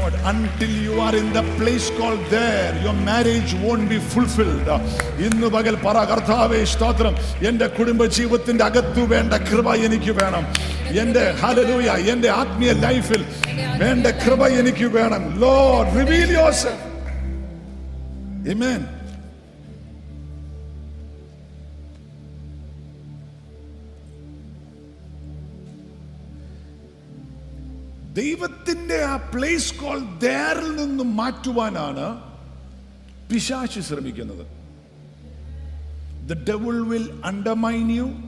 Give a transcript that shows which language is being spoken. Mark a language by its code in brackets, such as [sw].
[en] Until you are in the place called there, your marriage won't be fulfilled. [ml] ഇന്ന് പകൽ പറ, കർത്താവേ സ്തോത്രം, എന്റെ കുടുംബജീവിതത്തിന്റെ അകത്തു വേണ്ട കൃപ എനിക്ക് വേണം. എന്റെ ഹല്ലേലൂയ, എന്റെ ആത്മീയ ലൈഫിൽ വേണ്ട കൃപ എനിക്ക് വേണം. [en] Lord, reveal yourself. Amen. [ml] ദൈവത്തിന്റെ ആ [en] place call ദേറിൽ [ml] നിന്ന് മാറ്റുവാനാണ് പിശാച് ശ്രമിക്കുന്നത്. [en] The devil will undermine you.